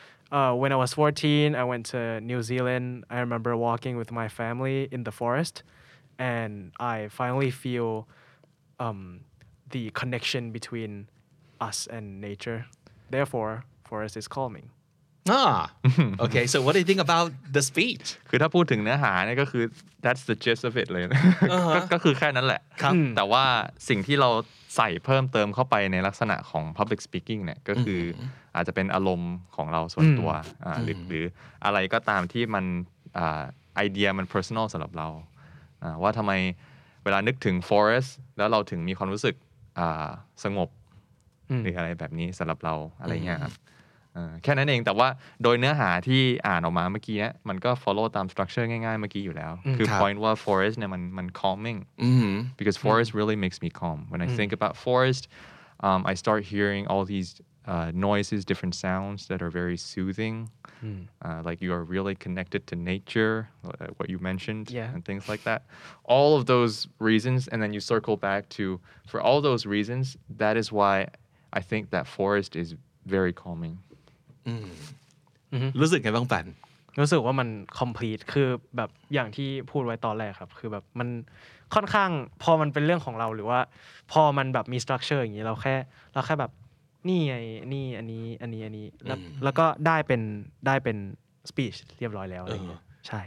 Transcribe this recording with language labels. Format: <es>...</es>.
<en>When I was 14, I went to New Zealand. I remember walking with my family in the forest, and I finally feel the connection between us and nature. Therefore, forest is calming. Ah, okay. So, what do you think about the speech?</en> <th>คือถ้าพูดถึงเนื้อหาเนี่ยก็คือ</th> <en>that's the gist of it</en> <th>เลยก็คือแค่นั้นแหละ ครับ แต่ว่าสิ่งที่เราใส่เพิ่มเติมเข้าไปในลักษณะของ public speaking เนี่ยก็คืออาจจะเป็นอารมณ์ของเราส่วนตัวหรืออะไรก็ตามที่มัน ไอเดียมัน personal สำหรับเราว่าทำไมเวลานึกถึง forest แล้วเราถึงมีความรู้สึกสงบหรืออะไรแบบนี้สำหรับเราอะไรเงี้ยครับแค่นั้นเองแต่ว่าโดยเนื้อหาที่อ่านออกมาเมื่อกี้เนี้ยมันก็ follow ตาม structure ง่ายๆเมื่อกี้อยู่แล้วคือ point ว่า forest เนี่ยมัน calming</th> <en>because forest really makes me calm when I think about forest I start hearing all thesenoises, different sounds that are very soothing. Like you are really connected to nature, what you mentioned, and things like that. All of those reasons, and then you circle back to, for all those reasons, that is why I think that forest is very calming.</en> <th>รู้สึกไงบ้างปัน รู้สึกว่ามัน complete คือแบบอย่างที่พูดไว้ตอนแรกครับคือแบบมันค่อนข้างพอมันเป็นเรื่องของเราหรือว่าพอมันแบบมี structure อย่างนี้เราแค่แบบนี่ไอ้นี่อันนี้แล้วก็ได้เป็น speech เรียบร้อยแล้วอะไรเงี้ยใช่</th>